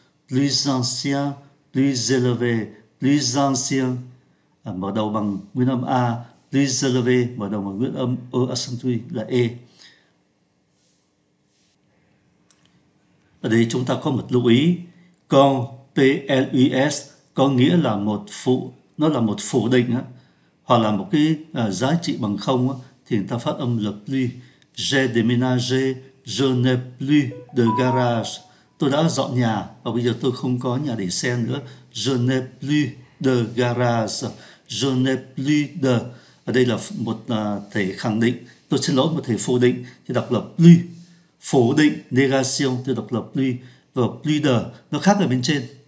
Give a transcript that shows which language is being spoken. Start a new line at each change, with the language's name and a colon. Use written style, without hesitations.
Vietnamese: Plus ancien, plus élevé, plus ancien mở đầu bằng nguyên âm A, plus élevé mở đầu bằng nguyên âm E accentué là E. Ở đây chúng ta có một lưu ý, con PLUS có nghĩa là một phụ, nó là một phủ định á, hoặc là một cái giá trị bằng không á, thì người ta phát âm là plus.
French: J'ai déménagé, je n'ai plus de garage.
Vietnamese: Tôi đã dọn nhà và bây giờ tôi không có nhà để xe nữa. Je n'ai plus de garage. Je n'ai plus de. Ở đây là một thể khẳng định, tôi xin lỗi, một thể phủ định thì đọc là plus. Phủ định, négation, tôi đọc là plus. Và plus de, nó khác ở bên trên.